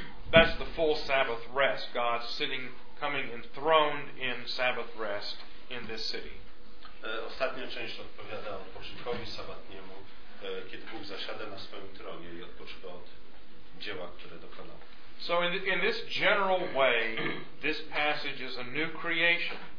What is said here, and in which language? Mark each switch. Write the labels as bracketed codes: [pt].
[en] That's the full Sabbath rest. God sitting, coming enthroned in Sabbath rest in this city. [pl] Ostatnia część odpowiada odpoczynkowi sabatniemu, kiedy Bóg zasiada na swoim tronie i odpoczywa od dzieła, które dokonał. [en] So in this general way, this passage is a new creation.